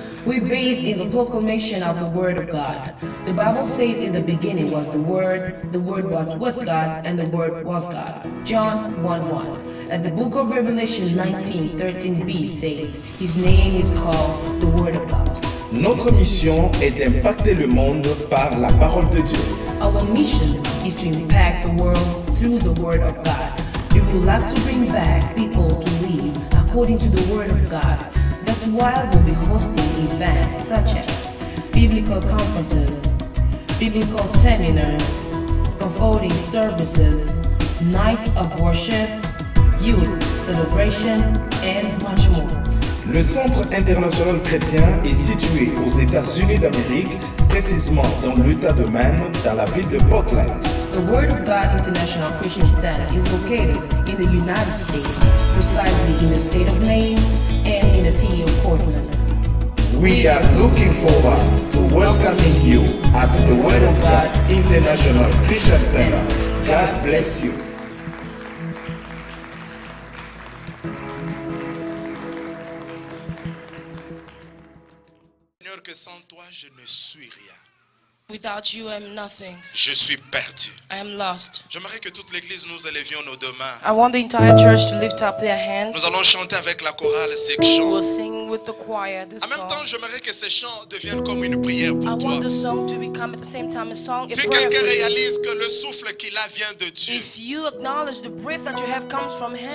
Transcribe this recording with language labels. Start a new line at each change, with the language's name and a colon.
English: We base in the proclamation of the Word of God. The Bible says in the beginning was the Word was with God, and the Word was God. John 1:1. And the book of Revelation 19:13b says, His name is called the Word of God.
French: Notre mission est d'impacter le monde par la parole de Dieu.
English: Our mission is to impact the world through the Word of God. We would like to bring back people to live according to the Word of God. That's why we'll be hosting events such as biblical conferences, biblical seminars, comforting services, nights of worship, youth celebration, and much more.
French: Le Centre international chrétien est situé aux États-Unis d'Amérique, précisément dans l'État de Maine, dans la ville de Portland.
English: The Word of God International Christian Center is located in the United States, precisely in the state of Maine and in the city of Portland. We are looking forward to welcoming you at the Word of God International Christian Center. God bless you.
French: Je ne suis rien.
English: Without you, I'm nothing.
French: Je suis perdu.
English: I am lost.
French: J'aimerais que toute l'église nous élevions nos deux mains.
English: I want the entire church to lift up their hands.
French: Nous allons chanter avec la chorale ces chants.
English: We'll sing with the choir this song.
French: En même temps, j'aimerais que ces chants deviennent comme une prière pour
English: toi. I want the song to become at the same time a song.
French: Si quelqu'un réalise que le souffle qu'il a vient de Dieu,
English: if you acknowledge the breath that you have comes from him,